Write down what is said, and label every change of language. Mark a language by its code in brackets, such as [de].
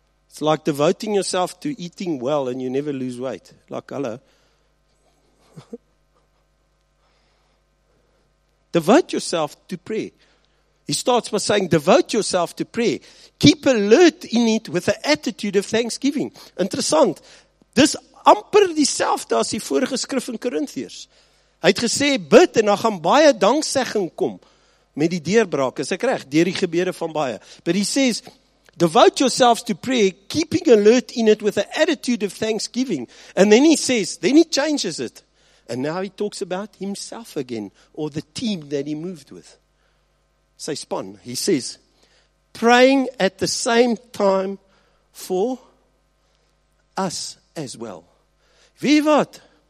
[en] It's like devoting yourself to eating well and you never lose weight. Like, hello. Devote yourself to prayer. He starts by saying, devote yourself to prayer. Keep alert in it with an attitude of thanksgiving. [af] Interessant. Dis amper dieselfde as die vorige skrif in Korintiërs. Hy het gesê, bid en dan gaan baie danksegging kom met die deurbraak. Is ek reg? Deur die gebede van baie. [en] But he says, devote yourselves to prayer, keeping alert in it with an attitude of thanksgiving. And then he says, then he changes it. And now he talks about himself again, or the team that he moved with. [af] Sy span, [en] he says, praying at the same time for us as well. [af] Wie wat?